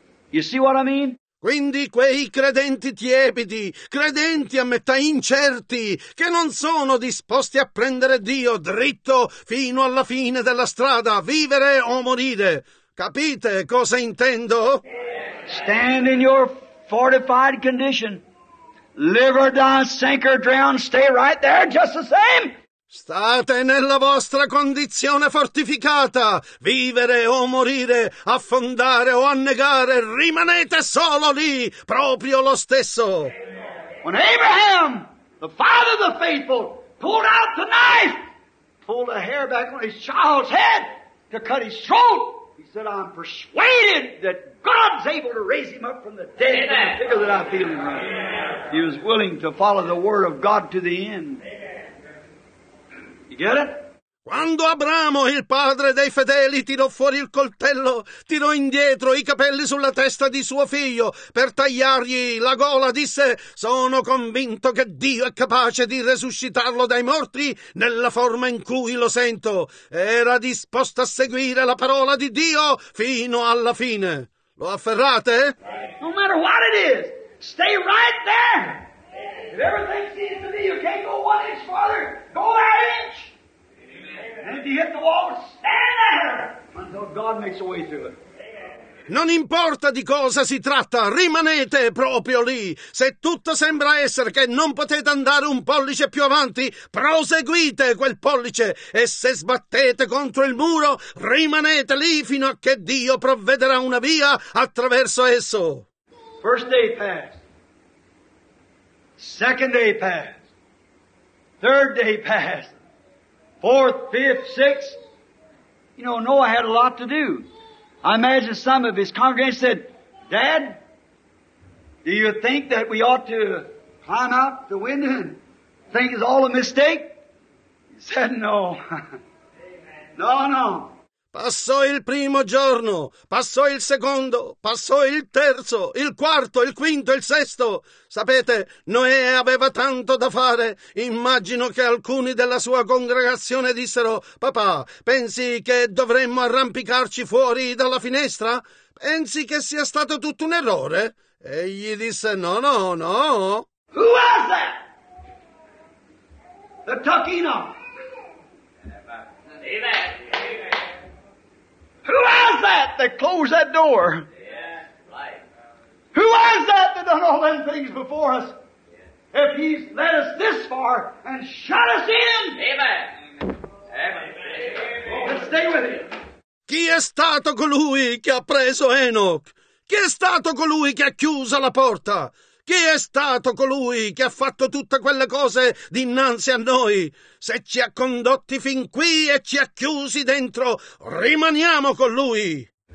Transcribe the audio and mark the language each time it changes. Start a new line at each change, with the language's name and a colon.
English: You see what I mean?
Italian: Quindi quei credenti tiepidi, credenti a metà incerti, che non sono disposti a prendere Dio dritto fino alla fine della strada, vivere o morire. Capite cosa intendo?
English: Stand in your fortified condition. Live or die, sink or drown, stay right there just the same.
Italian: State nella vostra condizione fortificata, vivere o morire, affondare o annegare, rimanete solo lì, proprio lo stesso.
English: When Abraham, the father of the faithful, pulled out the knife, pulled the hair back on his child's head to cut his throat, he said, I'm persuaded that God's able to raise him up from the dead. Amen. The figure that I feel in right. He was willing to follow the word of God to the end. You get it?
Italian: Quando Abramo, il padre dei fedeli, tirò fuori il coltello, tirò indietro i capelli sulla testa di suo figlio per tagliargli la gola, disse: «Sono convinto che Dio è capace di resuscitarlo dai morti nella forma in cui lo sento». Era disposto a seguire la parola di Dio fino alla fine. Lo afferrate?
English: No matter what it is, stay right there. If everything seems to be, you can't go one inch farther, go that inch. And if you hit the wall, stand there until God makes a way through it.
Italian: Non importa di cosa si tratta, rimanete proprio lì. Se tutto sembra essere che non potete andare un pollice più avanti, proseguite quel pollice. E se sbattete contro il muro, rimanete lì fino a che Dio provvederà una via attraverso esso.
English: First day passed. Second day passed. Third day passed. Fourth, fifth, sixth. You know, Noah had a lot to do. I imagine some of his congregation said, "Dad, do you think that we ought to climb out the window and think it's all a mistake?" He said, "No." No, no.
Italian: Passò il primo giorno, passò il secondo, passò il terzo, il quarto, il quinto, il sesto. Sapete, Noè aveva tanto da fare. Immagino che alcuni della sua congregazione dissero: «Papà, pensi che dovremmo arrampicarci fuori dalla finestra? Pensi che sia stato tutto un errore?» Egli disse: «No, no, no».
English: Who was that? The Tuckino. Amen. Who was that that closed that door? Yeah, right. Who was that that done all them things before us? Yeah. If he's led us this far and shut us in. Amen. Amen. Amen. Let's stay with him.
Italian: Chi è stato colui che ha preso Enoch? Chi è stato colui che ha chiuso la porta? Chi è stato colui che ha fatto tutte quelle cose dinanzi a noi? Se ci ha condotti fin qui e ci ha chiusi dentro, rimaniamo con lui.